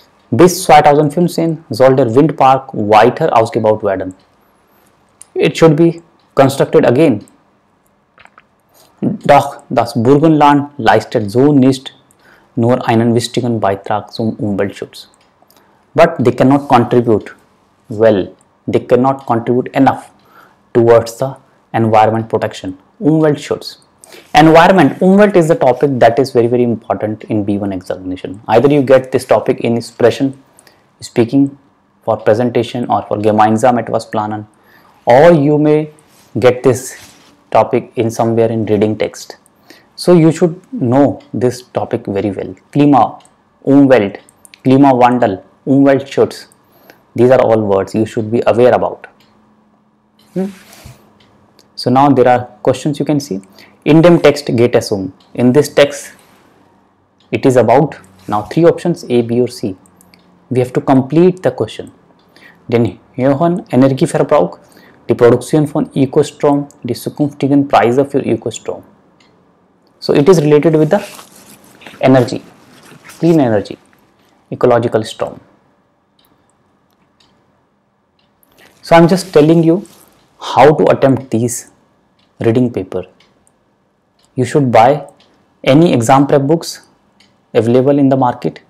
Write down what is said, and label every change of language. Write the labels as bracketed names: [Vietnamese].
[German] Bis 2015 soll der Windpark weiter ausgebaut werden. [English] It should be constructed again. [German] Doch das Burgenland leistet so nicht nur einen wichtigen Beitrag zum Umweltschutz. [English] But they cannot contribute well. They cannot contribute enough towards the environment protection. Umweltschutz. Environment. Umwelt is the topic that is very very important in B1 examination. Either you get this topic in expression speaking for presentation or for Gemeinsam etwas planen, or you may get this topic in somewhere in reading text. So you should know this topic very well. Klima, Umwelt, Klimawandel, Umweltschutz. These are all words you should be aware about. So now there are questions you can see. [German] In dem Text geht es um. [English] In this text, it is about. Now three options A, B or C. We have to complete the question. [German] Den Johann Energieverbrauch, die Produktion von Ökostrom, die zukünftigen Preise für Ökostrom. [English] So it is related with the energy, clean energy, ecological storm. So I'm just telling you how to attempt these reading paper. You should buy any exam prep books available in the market.